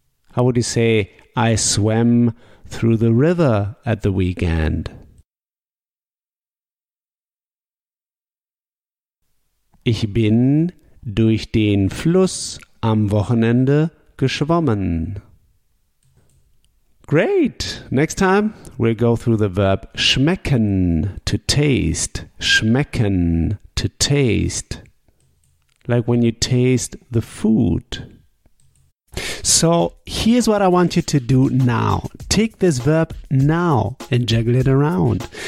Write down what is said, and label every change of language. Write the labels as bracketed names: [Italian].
[English] How would you say, I swam through the river at the weekend? [German] Ich bin durch den Fluss am Wochenende geschwommen. [English] Great! Next time we'll go through the verb schmecken, to taste. Schmecken, to taste. Like when you taste the food. So here's what I want you to do now. Take this verb now and juggle it around.